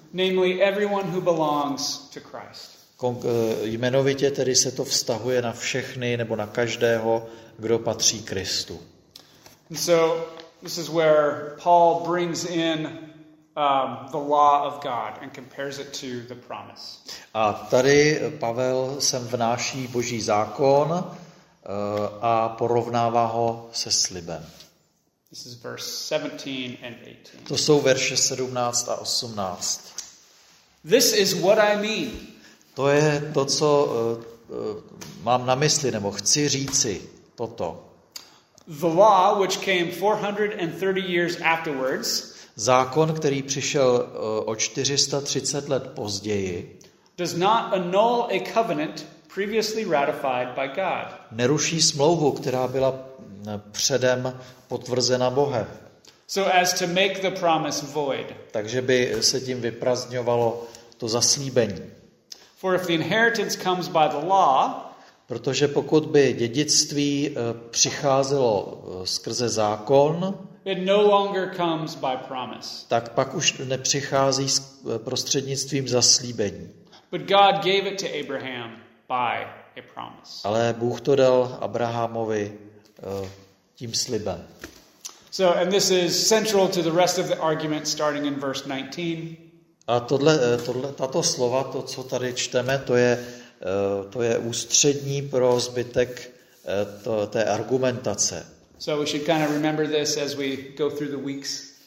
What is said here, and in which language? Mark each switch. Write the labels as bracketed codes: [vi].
[en] Namely everyone who belongs to Christ. [cs] Jmenovitě tedy se to vztahuje na všechny nebo na každého, kdo patří Kristu. [en] And so this is where Paul brings in the law of God and compares it to the promise. [cs] A tady Pavel sem vnáší Boží zákon a porovnává ho se slibem. [en] This is verse 17 and 18. [cs] To jsou verše 17 a 18. [en] This is what I mean. [cs] To je to, co mám na mysli, nebo chci říci toto. [en] The law, which came 430 years afterwards, [cs] zákon, který přišel o 430 let později, [en] does not annul a covenant previously ratified by God. [cs] Neruší smlouvu, která byla předem potvrzena Bohem. [en] So as to make the promise void. [cs] Takže by se tím vyprazdňovalo to zaslíbení. [en] For if the inheritance comes by the law, [cs] protože pokud by dědictví přicházelo skrze zákon, [en] it no longer comes by promise. [cs] Tak pak už nepřichází s prostřednictvím zaslíbení. [en] But God gave it to Abraham by a promise. [cs] Ale Bůh to dal Abrahamovi tím slibem. [en] So and this is central to the rest of the argument starting in verse 19. [cs] A tato slova, to, co tady čteme, to je ústřední pro zbytek té argumentace. [en] So we should kind of remember this as we go through the weeks.